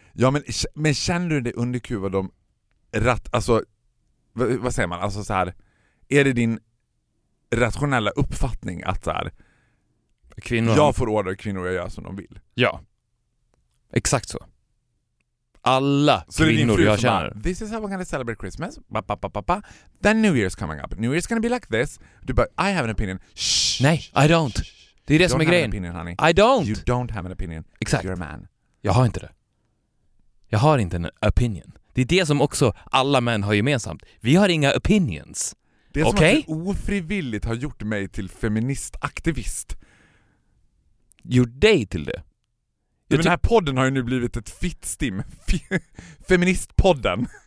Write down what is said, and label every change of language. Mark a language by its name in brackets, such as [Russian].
[Swedish] Ja, men känner du dig underkuvad de rätt, alltså vad säger man? Alltså så här, är det din rationella uppfattning att så här, kvinnor... jag får order kvinnor att göra som de vill? Ja. Exakt så. Alla kvinnor jag känner. [English] Bara, this is how we're going to celebrate Christmas. Ba, ba, ba, ba, ba. Then New Year's coming up. New Year's going to be like this. [Swedish] Du bara, [English] I have an opinion. Shh, [Swedish] nej, [English] I don't. [Swedish] Det är det som är grejen. [English] Opinion, honey. I don't. You don't have an opinion. [Swedish] Exakt. [English] You're a man. [Swedish] Jag har inte det. Jag har inte en opinion. Det är det som också alla män har gemensamt. Vi har inga opinions. Det är [English] okay? [Swedish] Som att du ofrivilligt har gjort mig till feministaktivist. Gjort dig till det? Ja, men den här podden har ju nu blivit ett fittstim. Feministpodden.